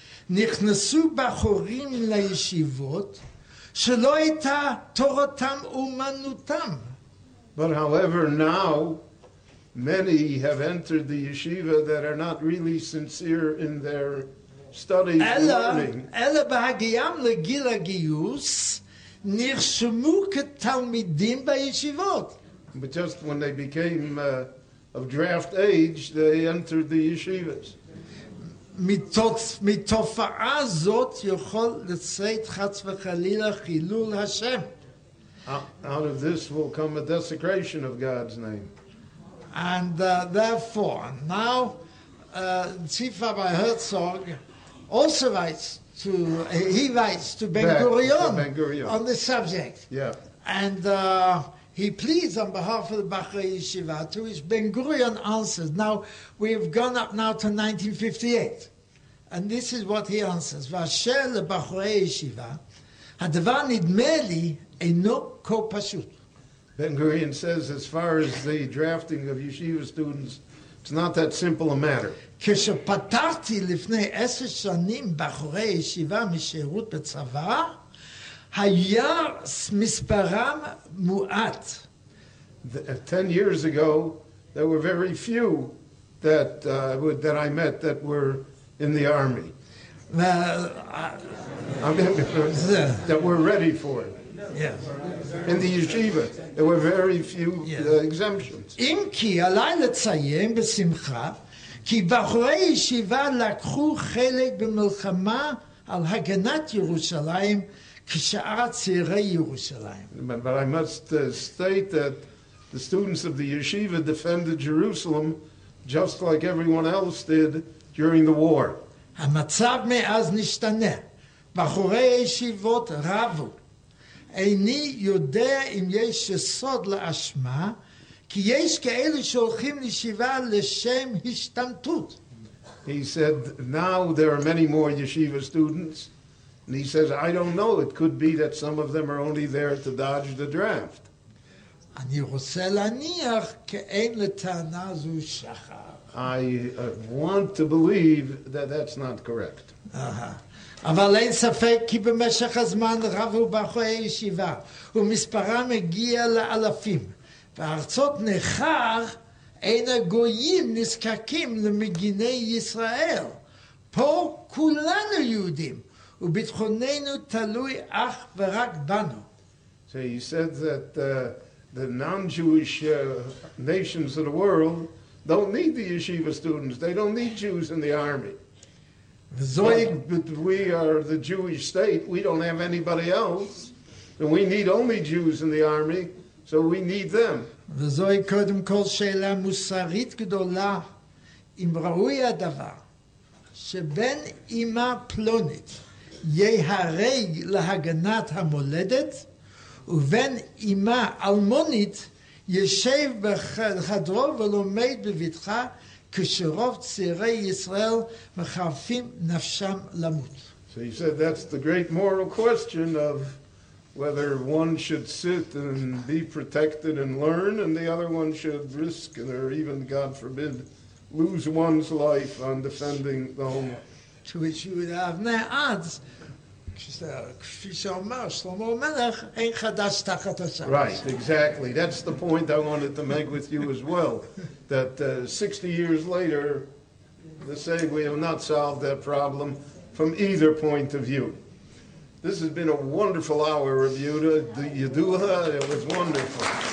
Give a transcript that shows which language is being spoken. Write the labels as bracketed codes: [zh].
[he] נכנסו בחורים לישיבות שלא הייתה תורתם אומנותם. [en] But however, now many have entered the yeshiva that are not really sincere in their studies and learning. [he] אלא בהגיעם לגיל הגיוס נרשמו כתלמידים בישיבות. [en] But just when they became of draft age, they entered the yeshivas. [he] מתופעה זאת יכול לצאת חס וחלילה חילול השם. [en] Out of this will come a desecration of God's name. And therefore, now, Chief Rabbi Herzog also writes to, he writes to Ben-Gurion on this subject. Yeah. And he pleads on behalf of the Bachrei Yeshiva, to which Ben-Gurion answers. Now, we've gone up now to 1958. And this is what he answers. [he] V'asher le-Bachrei Yeshiva, הדבר נדמה לי אינו כה פשוט. [en] Ben-Gurion says, as far as the drafting of yeshiva students, it's not that simple a matter. [he] כשפתרתי לפני 10 שנים בחורי ישיבה משירות בצבא, היה מספרם מועט. [en] 10 years ago, there were very few that that I met that were in the army. That were ready for it. Yes. In the yeshiva, there were very few exemptions. [he] אם כי עליי לציין בשמחה, כי בחורי ישיבה לקחו חלק במלחמה על הגנת ירושלים כשאר צעירי ירושלים. [en] But I must state that the students of the yeshiva defended Jerusalem just like everyone else did during the war. [he] המצב מאז נשתנה. בחורי ישיבות רבו. איני יודע אם יש סוד לאשמה, כי יש כאלה שהולכים לישיבה לשם השתמטות. [en] He said, now there are many more yeshiva students. And he says, I don't know, it could be that some of them are only there to dodge the draft. [he] אני רוצה להניח כאין לטענה זו שחר. [en] I want to believe that that's not correct. [he] אבל אין ספק כי במשך הזמן רבו בחורי ישיבה, ומספרם הגיע לאלפים. בארצות נכר אין הגויים נזקקים למגיני ישראל. פה כולנו יהודים, וביטחוננו תלוי אך ורק בנו. [en] So he said that the non-Jewish nations of the world don't need the yeshiva students. They don't need Jews in the army. But we are the Jewish state. We don't have anybody else. And we need only Jews in the army. So we need them. [he] וזוהי קודם כל שאלה מוסרית גדולה, אם ראוי הדבר שבן אמא פלונית יהרג להגנת המולדת, ובן אמא אלמונית יושב בחדרו ולומד בבטחה כשרוב צעירי ישראל מחרפים נפשם למות. [en] So he said that's the great moral question of whether one should sit and be protected and learn, and the other one should risk, or even, God forbid, lose one's life on defending the home. To which you would have no odds. [he] כפי שאומר, שלמה המלך, אין חדש תחת השמש. [en] Right, exactly. That's the point I wanted to make with you as well. That 60 years later, they say we have not solved that problem from either point of view. This has been a wonderful hour, Rabbi Yehuda. Do you do that? It was wonderful.